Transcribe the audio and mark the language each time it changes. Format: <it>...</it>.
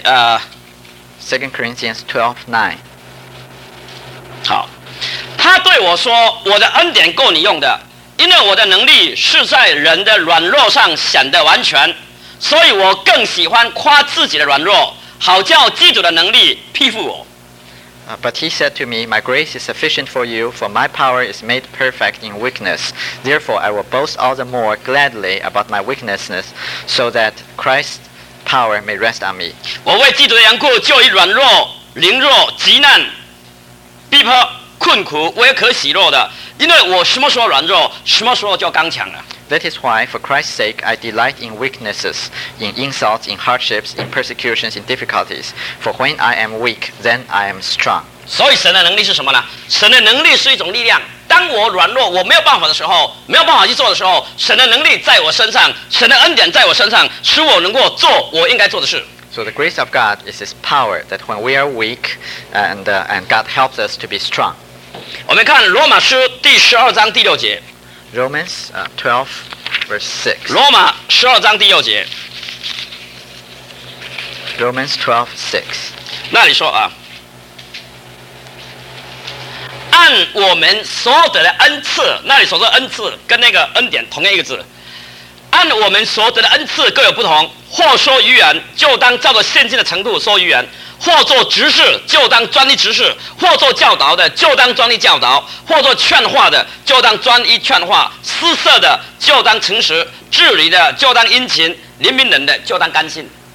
<en>2 Corinthians 12:9</en> <zh>好他对我说我的恩典够你用的因为我的能力是在人的软弱上显得完全所以我更喜欢夸自己的软弱好叫基督的能力庇护我</zh> <en>But he said to me, My grace is sufficient for you, for my power is made perfect in weakness. Therefore I will boast all the more gladly about my weaknesses so that Christ's power may rest on me.</en> <zh>我为基督的缘故就以软弱凌弱极难逼迫困苦我也可喜乐的因为我什么时候软弱什么时候就刚强了</zh> <en>That is why for Christ's sake I delight in weaknesses in insults in hardships in persecutions in difficulties for when I am weak then I am strong</en> <zh>所以神的能力是什么呢神的能力是一种力量当我软弱我没有办法的时候没有办法去做的时候神的能力在我身上神的恩典在我身上使我能够做我应该做的事</zh> <en>So the grace of God is His power that when we are weak and God helps us to be strong</en> <zh>我们看罗马书第十二章第六节</zh> <en>Romans 12 verse 6</en> <zh>罗马十二章第六节</zh> <en>Romans 12:6</en> <zh>那里说啊按我们所得的恩赐那里所说恩赐跟那个恩典同样一个字按我们所得的恩赐各有不同或说预言就当照着现今的程度说预言或做执事就当专一执事或做教导的就当专一教导或做劝化的就当专一劝化施舍的就当诚实治理的就当殷勤怜悯人的就当甘心</zh>